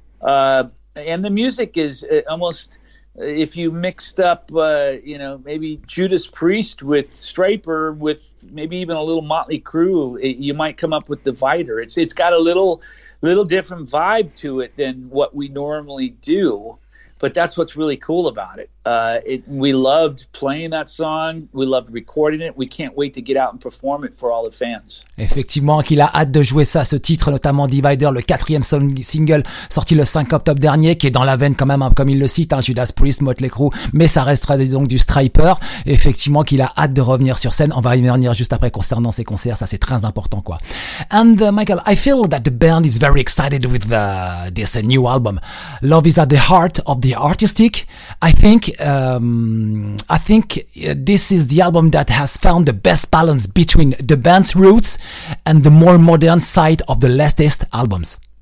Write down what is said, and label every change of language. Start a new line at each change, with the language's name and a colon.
English: And the music is almost, if you mixed up, you know, maybe Judas Priest with Stryper, with maybe even a little Motley Crue, you might come up with Divider. It's got a little different vibe to it than what we normally do. But that's what's really cool about it. We loved playing that song. We loved recording it. We can't wait to get out and perform it for all the fans.
French: Effectivement, qu'il a hâte de jouer ça, ce titre, notamment Divider, le quatrième single sorti le 5 octobre dernier, qui est dans la veine quand même, comme il le cite, hein, Judas Priest, Motley Crue, mais ça restera donc du Stryper. Effectivement, qu'il a hâte de revenir sur scène. On va y venir juste après concernant ses concerts. Ça, c'est très important, quoi.
English: And Michael, I feel that the band is very excited with this new album. Love is at the heart of the artistic. I think this is the album that has found the best balance between the band's roots and the more modern side of the latest albums.